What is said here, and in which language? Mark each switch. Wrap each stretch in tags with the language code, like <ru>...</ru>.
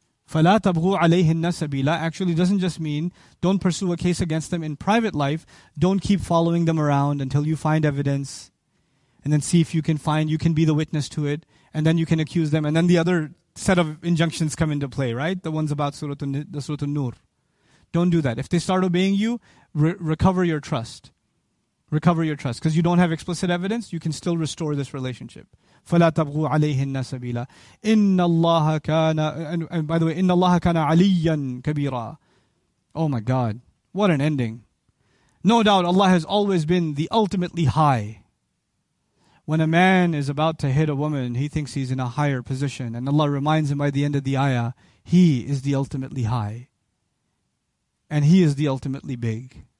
<ar>فَلَا تَبْغُوا عَلَيْهِنَّ سَبِيلًا</ar> <en>actually doesn't just mean don't pursue a case against them in private life, don't keep following them around until you find evidence and then see if you can be the witness to it and then you can accuse them and then the other set of injunctions come into play, right? The ones about Surah An-Nur. Don't do that. If they start obeying you, recover your trust. Recover your trust. Because you don't have explicit evidence, you can still restore this relationship.</en> <ar>فَلَا تَبْغُوا عَلَيْهِنَّ سَبِيلًا إِنَّ اللَّهَ كَانَ</ar> <en>and by the way,</en> <ar>إِنَّ اللَّهَ كَانَ عَلِيًّا كَبِيرًا.</ar> <en>Oh my God, what an ending. No doubt Allah has always been the ultimately high. When a man is about to hit a woman, he thinks he's in a higher position. And Allah reminds him by the end of the ayah, he is the ultimately high. And he is the ultimately big.</en>